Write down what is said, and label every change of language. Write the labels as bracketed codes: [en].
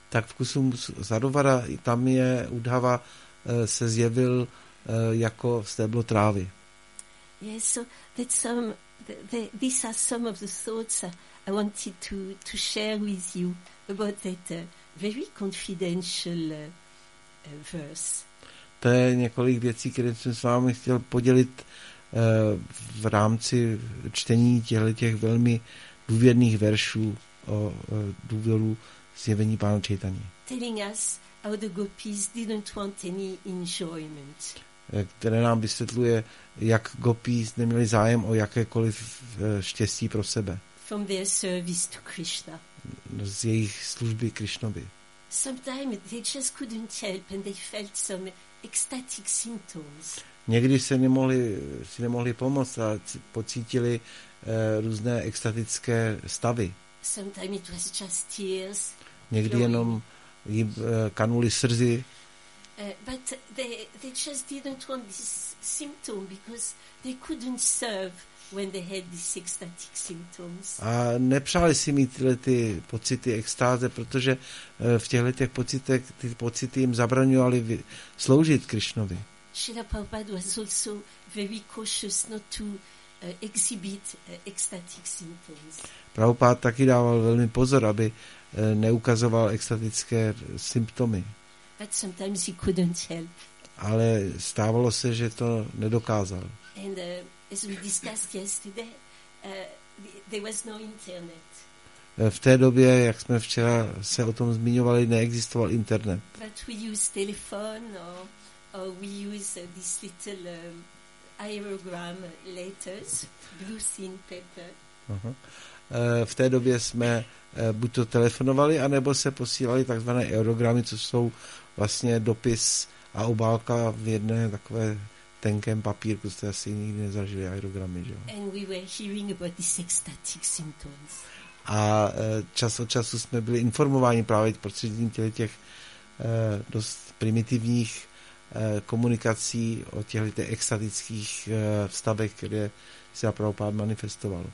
[cs] Tak v Kusum Sarovara, tam je Uddhava se zjevil jako stéblo trávy. [en] Yes, so that's these are some of the thoughts I wanted to share with you about that very confidential verse. [cs] To je několik věcí, které jsem s vámi chtěl podělit v rámci čtení těch velmi důvěrných veršů o důvěru zjevení Pána Čejtaně. [en] Telling us how the gopis didn't want any enjoyment. [cs] Které nám vysvětluje, jak gopis neměli zájem o jakékoliv štěstí pro sebe. [en] From their service to Krishna. [cs] Z jejich služby Krishnovi. [en] Sometimes they just couldn't help and they felt some ecstatic symptoms. [cs] Někdy se nemohli pomoct a pocítili různé ecstatické stavy. [en] Sometimes it was just tears. [cs] Někdy jenom jim kanuly slzy. [en] But they just didn't want this symptom because they couldn't serve when they had these ecstatic symptoms. [cs] A nepřáli si mít tyhle ty pocity extáze, protože v těchto těch pocitech ty pocity jim zabraňovaly sloužit Krishnovi. [en] Srila Prabhupada was also very cautious not to exhibit ecstatic symptoms. [cs] Prabhupád taky dával velmi pozor, aby neukazoval extatické symptomy. [en] But sometimes he couldn't help. [cs] Ale stávalo se, že to nedokázal. [en] And as we discussed yesterday, there was no internet. [cs] V té době, jak jsme včera se o tom zmiňovali, neexistoval internet. [en] But we use telephone or we use this little aerogram letters, blue thin paper. Uh-huh. [cs] V té době jsme buď to telefonovali, anebo se posílali takzvané aerogramy, co jsou vlastně dopis a obálka v jedné takové tenkém papírku, jste asi nikdy nezažili aerogramy, že jo? [en] And we were hearing about these ecstatic symptoms. [cs] A čas od času jsme byli informováni právě prostřednictvím těch dost primitivních komunikací o těchto extatických vstavech, které se Prabhupád manifestoval.